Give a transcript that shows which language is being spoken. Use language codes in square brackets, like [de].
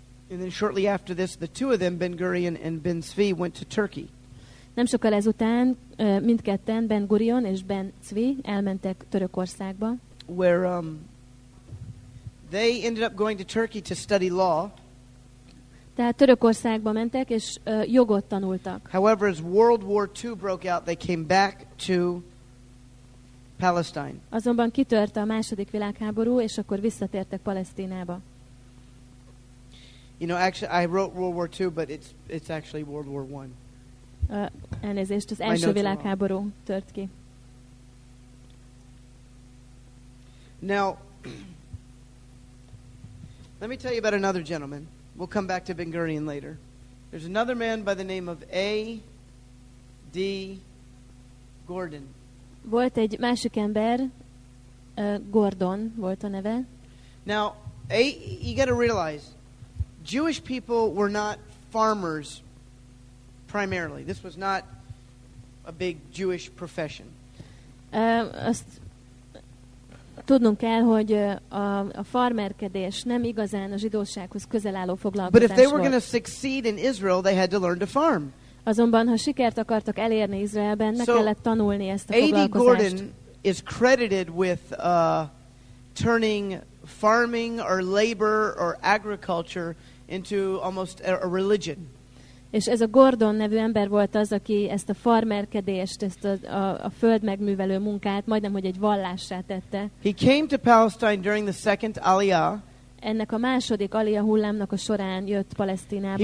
[en] And then shortly after this, the two of them, Ben-Gurion and Ben Zvi, went to Turkey. [hu] Nem sokkal ezután, mindketten, Ben-Gurion és Ben Zvi elmentek Törökországba. [en] Where they ended up going to Turkey to study law. [hu] Tehát Törökországba mentek és jogot tanultak. [en] However, as World War II broke out, they came back to Palestine. [hu] Azonban kitört a második világháború és akkor visszatértek Palesztinába. [en] You know, actually, I wrote World War II, but it's actually World War I. [hu] Elnézést, az első világháború tört ki. [en] Now, let me tell you about another gentleman. We'll come back to Ben-Gurion later. There's another man by the name of A. D. Gordon. [hu] Volt egy másik ember, Gordon volt a neve. [en] Now, you got to realize, Jewish people were not farmers primarily. This was not a big Jewish profession. [hu] Azt tudnunk kell, hogy a farmerkedés nem igazán a zsidósághoz közel álló foglalkozás [en] volt. But if they were going to succeed in Israel, they had to learn to farm. [hu] Azonban, ha sikert akartak elérni Izraelben, meg kellett tanulni ezt a foglalkozást. [en] A.D. Gordon is credited with turning farming or labor or agriculture into almost a religion. [hu] És ez a Gordon nevű ember volt az, aki ezt a farmerkedést, ezt a föld megművelő munkát majdnem hogy egy vallássá tette. [en] He came to Palestine during the second Aliyah. [hu] Ennek a második Aliyah hullámnak a során jött Palesztinába.